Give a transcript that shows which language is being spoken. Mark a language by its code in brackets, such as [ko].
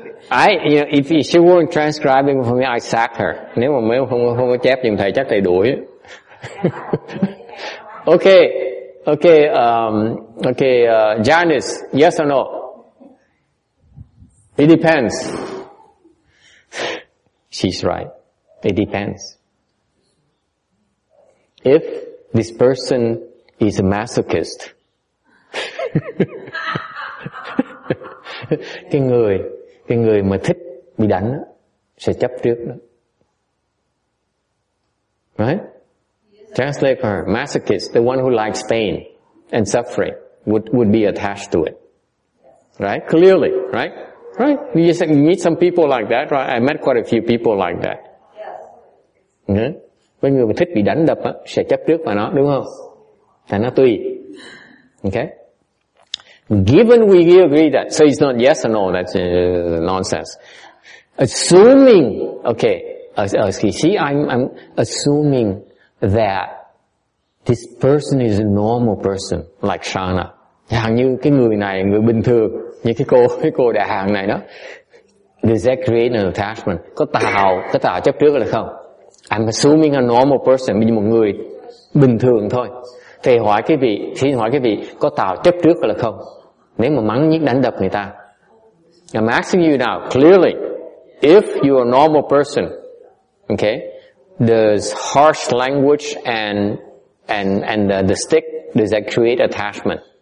[en] I, you know, if she weren't transcribing for me, I'd sack her. [vi] Nếu mà mấy không, không có chép giùm thầy, chắc thầy đuổi. [en] Ok. Ok. Ok. Janice, yes or no? It depends. She's right. It depends. If this person is a masochist, [vi] cái người mà thích bị đánh đó, sẽ chấp trước đó. [en] Right? Translate her. Masochist, the one who likes pain and suffering would be attached to it. Right? Clearly, right? Right? You just meet some people like that, right? I met quite a few people like that. Yes. [vi] Mấy người mà thích bị đánh đập á, sẽ chấp trước vào nó, đúng không? Tại nó tùy. Okay? [en] Given we agree that, so it's not yes or no, that's nonsense. Assuming, okay, I'm assuming that this person is a normal person, like Shana. [vi] Hàng như cái người này, người bình thường, như cái cô đại hàng này đó. [en] Does that create an attachment? [vi] Có tạo chấp trước là không? [en] I'm assuming a normal person, [vi] như một người bình thường thôi. Thầy hỏi cái vị, xin hỏi cái vị, có tạo chấp trước là không? Nếu mà mắng nhiếc đánh đập người ta. [en] I'm asking you now, clearly, if you're a normal person, okay, does harsh language and the stick, does that create attachment?